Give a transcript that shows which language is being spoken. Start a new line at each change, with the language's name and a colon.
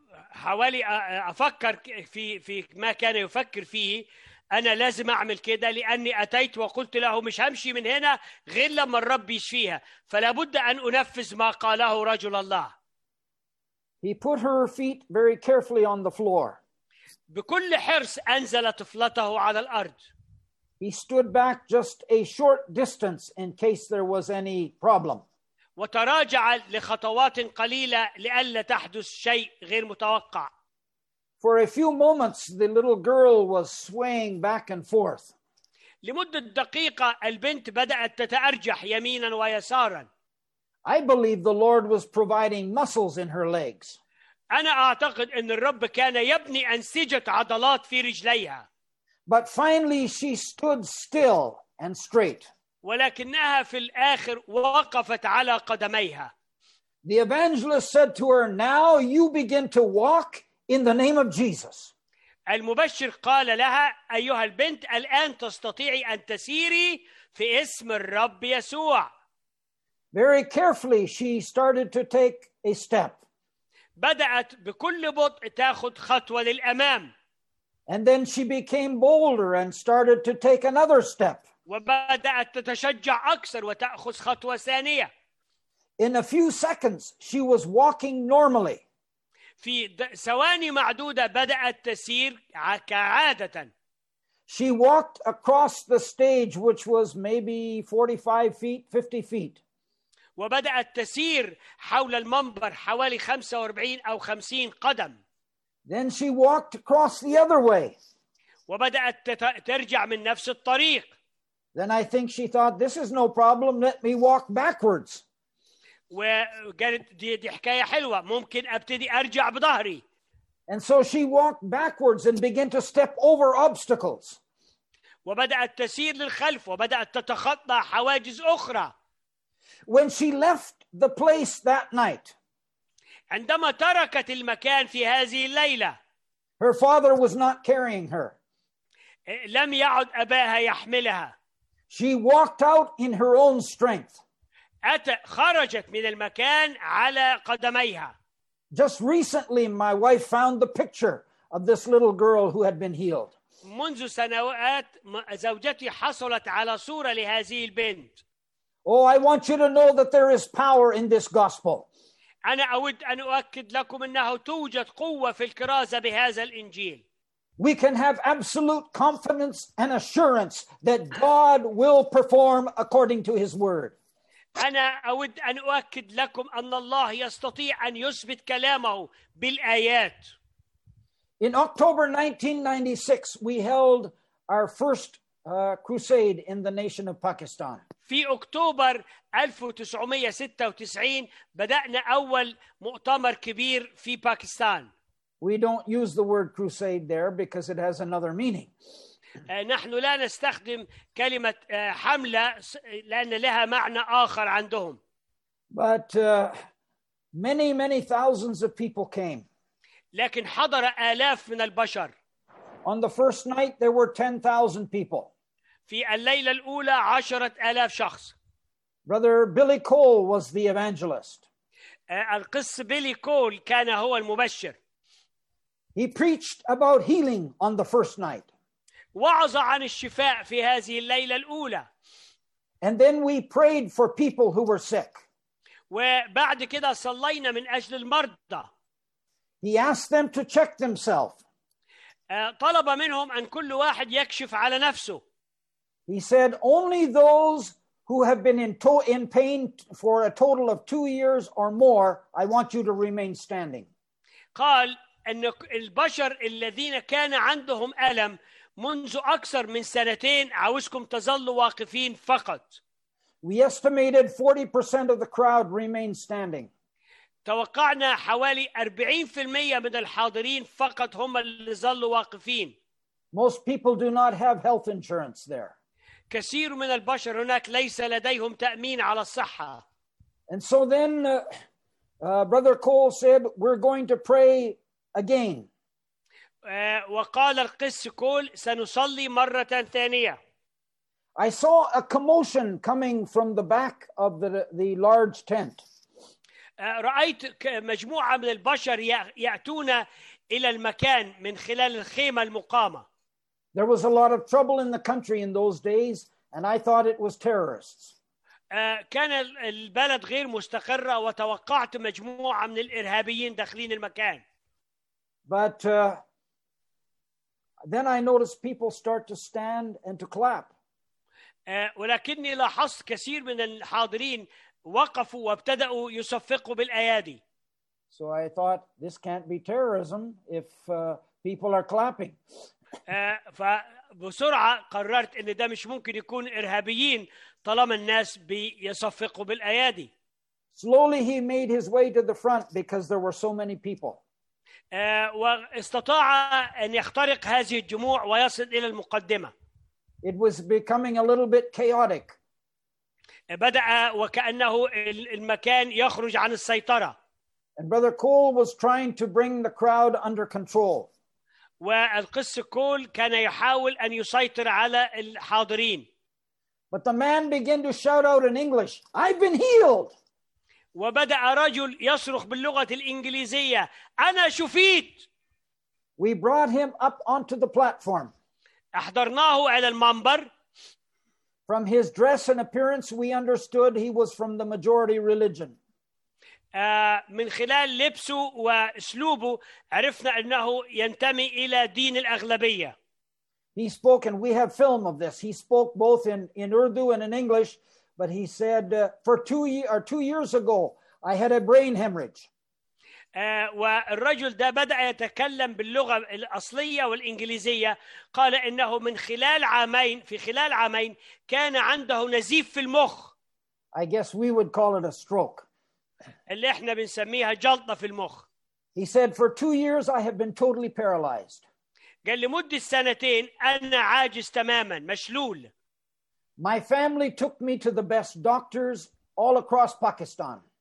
Arabic: حوالي أفكر في ما كان يفكر فيه. أنا لازم أعمل كده لأني أتيت وقلت له مش همشي من هنا غير لما الرب يشفيها. فلا بد أن أنفذ ما قاله رجل الله.
English: He put her feet very carefully on the floor.
Arabic: بكل حرص أنزلت طفلته على الأرض.
English: He stood back just a short distance in case there was any problem.
Arabic: وتراجع لخطوات قليلة لئلا تحدث شيء غير متوقع.
English: For a few moments, the little girl was swaying back and forth.
Arabic: لمدة دقيقة البنت بدأت تتأرجح يمينا ويسارا.
English: I believe the Lord was providing muscles in her legs.
Arabic: أنا أعتقد أن الرب كان يبني أنسجة عضلات في رجليها.
English: But finally she stood still and straight.
Arabic: ولكنها في الآخر وقفت على قدميها.
English: The evangelist said to her, "Now you begin to walk in the name of Jesus."
Arabic: المبشر قال لها أيها البنت الآن تستطيع أن تسيري في اسم الرب يسوع.
English: Very carefully she started to take a step.
Arabic: بدأت بكل بطء تأخذ خطوة للأمام.
English: And then she became bolder and started to take another step.
Arabic: وبدأت تتشجع أكثر وتأخذ خطوة ثانية.
English: In a few seconds she was walking normally.
Arabic: في ثواني معدودة بدأت تسير كعادة.
English: She walked across the stage which was maybe 45 feet, 50 feet.
Arabic: وبدأت تسير حول المنبر حوالي 45 أو 50 قدم.
English: Then she walked across the other way.
Arabic: وبدأت ترجع من نفس الطريق.
English: Then I think she thought, this is no problem, let me walk backwards.
Arabic: وقالت دي حكاية حلوة ممكن أبتدي أرجع بظهري.
English: And so she walked backwards and began to step over obstacles.
Arabic: وبدأت تسير للخلف وبدأت تتخطى حواجز أخرى.
English: When she left the place that night,
Arabic: عندما تركت المكان في هذه الليلة,
English: her father was not carrying her.
Arabic: لم يعد أباها يحملها.
English: She walked out in her own strength.
Arabic: خرجت من المكان على قدميها.
English: Just recently, my wife found the picture of this little girl who had been healed.
Arabic: منذ سنوات زوجتي حصلت على صورة لهذه البنت.
English: Oh, I want you to know that there is power in this gospel.
Arabic: أنا أود أن أؤكد لكم أنه توجد قوة في الكرازة بهذا الإنجيل.
English: We can have absolute confidence and assurance that God will perform according to His word.
Arabic: أنا أود أن أؤكد لكم أن الله يستطيع أن يثبت كلامه بالآيات.
English: In October 1996, we held our first crusade in the nation of Pakistan.
Arabic: في أكتوبر 1996 بدأنا أول مؤتمر كبير في باكستان.
English: We don't use the word crusade there because it has another meaning.
Arabic: نحن لا نستخدم كلمة حملة لأن لها معنى آخر عندهم.
English: But many, many thousands of people came.
Arabic: لكن حضر آلاف من البشر.
English: On the first night there were 10,000 people.
Arabic: في الليلة الأولى 10,000 شخص.
English: Brother Billy Cole was the evangelist.
Arabic: القس بيلي كول كان هو المبشر.
English: He preached about healing on the first night.
Arabic: وعظ عن الشفاء في هذه الليلة الأولى.
English: And then we prayed for people who were sick.
Arabic: وبعد كده صلينا من أجل المرضى.
English: He asked them to check themselves.
Arabic: طلب منهم أن كل واحد يكشف على نفسه.
English: He said, only those who have been in pain for a total of 2 years or more, I want you to remain standing.
Arabic: قال أن البشر الذين كان عندهم ألم منذ أكثر من سنتين عاوزكم تظلوا واقفين فقط.
English: We estimated 40% of the crowd remained standing.
Arabic: توقعنا حوالي 40% من الحاضرين فقط هم اللي ظلوا واقفين.
English: Most people do not have health insurance there.
Arabic: كثير من البشر هناك ليس لديهم تأمين على الصحة.
English: And so then Brother Cole said, we're going to pray again.
Arabic: وقال القس كول سنصلي مرة ثانية.
English: I saw a commotion coming from the back of the large tent.
Arabic: رأيت مجموعة من البشر يأتون إلى المكان من خلال الخيمة المقامة.
English: There was a lot of trouble in the country in those days, and I thought it was terrorists.
Arabic: كان البلد غير مستقرة وتوقعت مجموعة من الإرهابيين داخلين المكان.
English: But then I noticed people start to stand and to clap.
Arabic: ولكني لاحظت كثير من الحاضرين وقفوا وابتدأوا يصفقوا بالأيادي.
English: So I thought this can't be terrorism if people are clapping.
Arabic: فبسرعة قررت إن ده مش ممكن يكون إرهابيين طالما الناس بيصفقوا بالأيادي.
English: Slowly he made his way to the front because there were so many people.
Arabic: واستطاع أن يخترق هذه الجموع ويصل إلى المقدمة.
English: It was becoming a little bit chaotic.
Arabic: بدأ وكأنه المكان يخرج عن السيطرة.
English: And Brother Cole was trying to bring the crowd under control.
Arabic: والقس كول كان يحاول أن يسيطر على الحاضرين.
English: But the man began to shout out in English, "I've been healed."
Arabic: وبدأ رجل يصرخ باللغة الإنجليزية أنا شفيت.
English: We brought him up onto the platform.
Arabic: أحضرناه على المنبر.
English: From his dress and appearance, we understood he was from the majority religion.
Arabic: من خلال لبسه وأسلوبه عرفنا أنه ينتمي إلى دين الأغلبية.
English: He spoke, and we have film of this. He spoke both in Urdu and in English. But he said, two years ago, I had a brain hemorrhage.
Arabic: والرجل ده بدأ يتكلم باللغة الأصلية والإنجليزية. قال إنه في خلال عامين كان عنده نزيف في المخ.
English: I guess we would call it a stroke.
Arabic: اللي إحنا بنسميها جلطة في المخ.
English: He said, for 2 years, I have been totally paralyzed.
Arabic: قال لمدة سنتين أنا عاجز تماماً مشلول.
English: My family took me to the best doctors all across Pakistan.